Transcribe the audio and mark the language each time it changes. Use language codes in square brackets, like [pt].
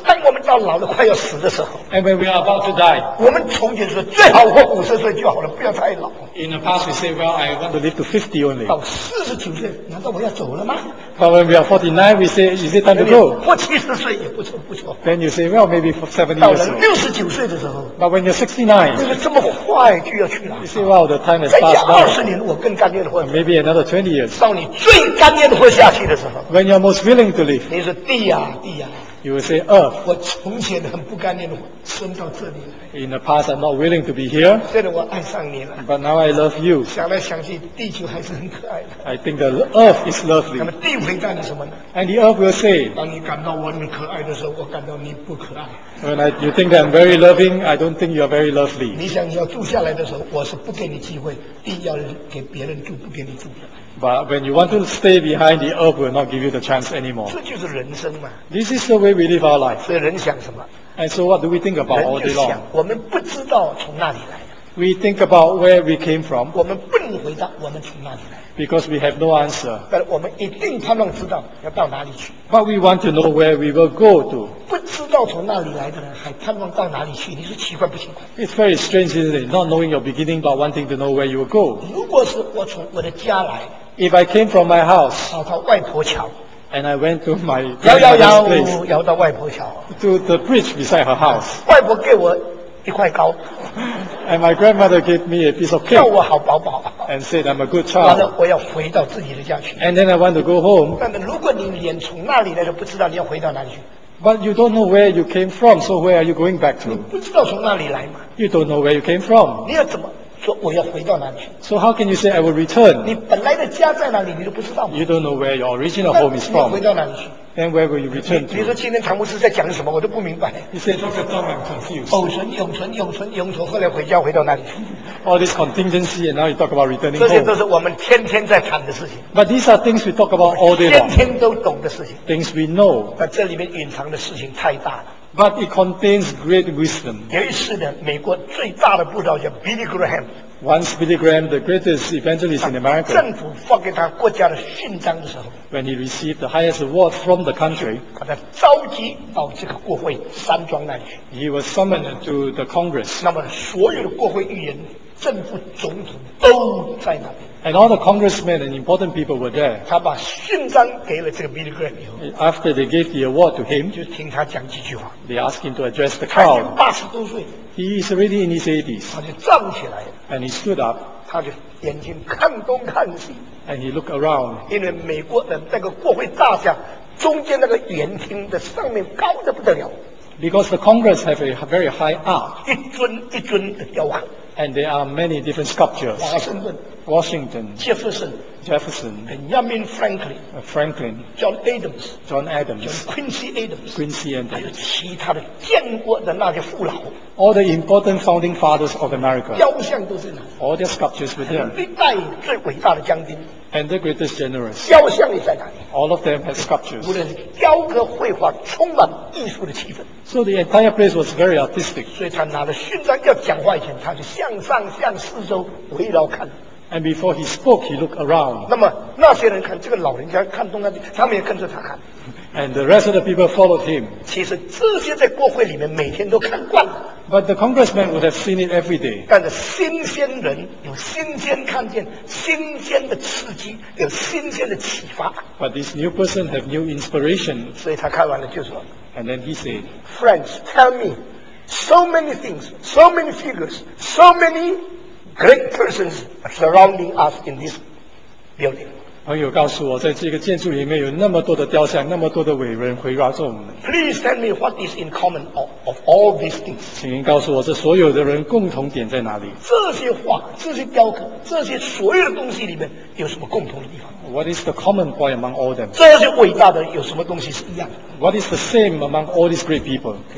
[zh] 所以当我们到老了快要死的时候 [en] ，And when we are about to die, [zh] 我们从前说最好活50岁就好了，不要太老。 [en] In the past, we say, well, I want to live to 50 only. [zh] 到49岁，难道我要走了吗 [en] ？But when we are 49, we say, is it time to go? [zh] 或70岁也不错，不错。 [en] Then you say, well, maybe for 70 years. [zh] 到了69岁的时候 [en] ，But when you're 69, [zh] 这个这么快就要。 [en] You say, "Wow, the time has passed [zh] by." [en] 20 years, [zh] 我更甘愿活。 [en] Maybe another 20 years. [zh] 到你最甘愿活下去的时候。 [en] When you're most willing to live. [zh] 你说地呀，地呀。 [en] You will say, "Earth." [zh] 我从前很不甘愿活，生到这里来。 [en] In the past, I'm not willing to be here. [zh] 现在我爱上你了。 [en] But now I love you. [zh] 想来想去，地球还是很可爱的。 [en] I think the earth is lovely. [zh] 那么地回答你什么呢 [en] ？And the earth will say. [zh] 当你感到我很可爱的时候，我感到你不可爱。 [en] When you think that I'm very loving, I don't think you are very lovely. [zh] 你想你要住下来的时候，我是不给你机会，地要给别人住，不给你住的。 [en] But when you want to stay behind, the earth will not give you the chance anymore. [zh] 这就是人生嘛。 [en] This is the way we live our life. [zh] 所以人想什么 [en] ？And so what do we think about all day long? [zh] 我们不知道从哪里来。 [en] We think about where we came from. [zh] 我们不能回答我们从哪里来。 [en] Because we have no answer. [zh] 但我们一定盼望知道要到哪里去。 [en] But we want to know where we will go to. [zh] 不知道。道从那里来的人还盼望到哪里去，你说奇怪不奇怪？ [en] It's very strange, isn't it? Not knowing your beginning, but wanting to know where you will go. [zh] 如果是我从我的家来， [en] If I came from my house, [zh] 跑到外婆桥， [en] And I went to my grandmother's place, [zh] 摇到外婆桥， [en] To the bridge beside her house. [zh] 外婆给我一块糕。 [en] And my grandmother gave me a piece of cake. [zh] 叫我好宝宝。 [en] And said I'm a good child. [zh] 完了，我要回到自己的家去。 [en] And then I want to go home. [zh] 那么如果你连从那里来都不知道，你要回到哪里去？ [en] But you don't know where you came from, so where are you going back to? [zh] 你不知道从哪里来吗？ [en] You don't know where you came from. [zh] 你要怎么说我要回到哪里去？ [en] So how can you say I will return? [zh] 你本来的家在哪里你都不知道吗？ [en] You don't know where your original home is from. [zh] 你回到哪里去？ [en] Then where will you return to? [zh] 你说今天唐牧师在讲什么我都不明白。 [en] He said, Dr. Tom, I'm confused. [zh] 偶存永存永存永存后来回家回到哪里去？ [en] All this contingency and now you talk about returning home. [zh] 这些都是我们天天在谈的事情。 [en] But these are things we talk about all day long. [zh] 天天都懂的事情。 [en] Things we know. [zh] 但这里面隐藏的事情太大了。 [en] But it contains great wisdom. [zh] 有一次呢，美国最大的布道家 Billy Graham. [en] Once Billy Graham, the greatest evangelist in America. [zh] 政府发给他国家的勋章的时候。 [en] When he received the highest award from the country. [zh] 把他召集到这个国会山庄那里去。 [en] He was summoned to the Congress. [zh] 那么所有的国会议员、政府总统都在那边。 [en] And all the congressmen and important people were there. [zh] 他把勋章给了这个 Billy Graham 以后， [en] After they gave the award to him, [zh] 就听他讲几句话。 [en] They asked him to address the crowd. [zh] 他已经80多岁。 [en] He is already in his 80s. [zh] 他就站起来。 [en] And he stood up. [zh] 他就眼睛看东看西。 [en] And he looked around. [zh] 因为美国的那个国会大厦中间那个圆厅的上面高得不得了。 [en] Because the Congress have a very high arch. [zh] 一尊一尊的雕刻。 [en] And there are many different sculptures. [zh] 华盛顿。 [en] Washington, Jefferson, Benjamin Franklin, John Adams, Quincy Adams, [zh] 还有其他的建国的那些父老 [en] all the important founding fathers of America, [zh] 雕像都是那 [en] all their sculptures were there, [zh] 历代最伟大的将军 [en] and the greatest generals, [zh] 雕像也在那里 [en] all of them had sculptures, [zh] 无论是雕刻绘画充满艺术的气氛 [en] so the entire place was very artistic, [zh] 所以他拿了勋章要讲话以前他就向上向四周围绕看 [en] And before he spoke, he looked around. [zh] 那么那些人看这个老人家看东看西，他们也跟着他看。 [en] And the rest of the people followed him. [zh] 其实这些在国会里面每天都看惯了。 [en] But the congressman would have seen it every day. [zh] 但是新鲜人有新鲜看见，新鲜的刺激，有新鲜的启发。 [en] But this new person have new inspiration. [zh] 所以他看完了就说。 [en] And then he said, "Friends, tell me, so many things, so many figures, so many." Great persons surrounding us in this building. [zh] 朋友告诉我，在这个建筑里面有那么多的雕像，那么多的伟人围绕着我们。 [en] Please tell me what is in common of all these things. [zh] 请您告诉我，这所有的人共同点在哪里？这些画、这些雕刻、这些所有的东西里面有什么共同的地方？ [en] What is the common point among all them? [zh] 这些伟大的有什么东西是一样的？ [en] What is the same among all these great people?